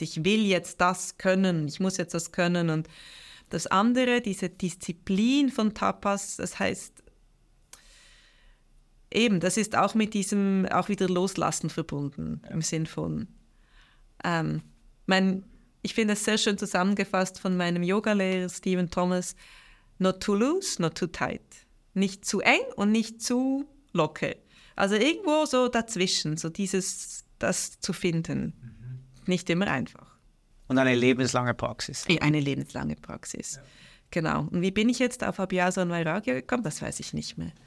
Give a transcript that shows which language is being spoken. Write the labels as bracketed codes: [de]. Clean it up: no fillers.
[de] Ich will jetzt das können. Ich muss jetzt das können. Und das andere, diese Disziplin von Tapas, das heißt, eben, das ist auch mit diesem, auch wieder Loslassen verbunden. Ja. Im Sinn von, ich finde es sehr schön zusammengefasst von meinem Yoga-Lehrer Stephen Thomas. [en] Not too loose, not too tight. [de] Nicht zu eng und nicht zu locker. Also irgendwo so dazwischen, so dieses, das zu finden. Mhm. Nicht immer einfach. Und eine lebenslange Praxis. Eine lebenslange Praxis. Ja. Genau. Und wie bin ich jetzt auf Abhyasa und Vairagya gekommen? Das weiß ich nicht mehr.